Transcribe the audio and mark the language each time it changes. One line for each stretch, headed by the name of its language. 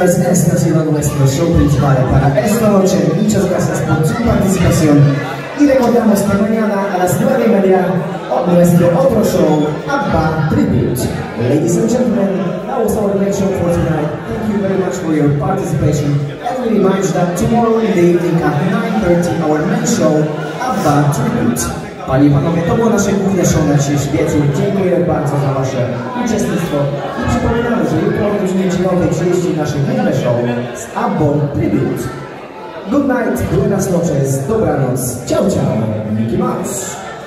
Spanish: Esta ha sido nuestro show principal para esta noche. Muchas gracias por su participación. y recordamos que mañana a las 9 de la mañana nuestro otro show, ABBA Tribute.
English: Ladies and gentlemen, that was our next show for tonight. Thank you very much for your participation. And we remind you that tomorrow in the evening at 9:30, our main show, ABBA Tribute.
Polish: Panie i panowie, to było nasze główne show na dziś wieczór. Dziękuję bardzo za wasze uczestnictwo. I przypominamy, że jutro o godzinie 9:30 nasze główne show z ABBA Tribute.
English: Good night,
Spanish: buenas noches,
Polish: dobranoc,
Italian: ciao ciao,
Polish: Mickey Mouse.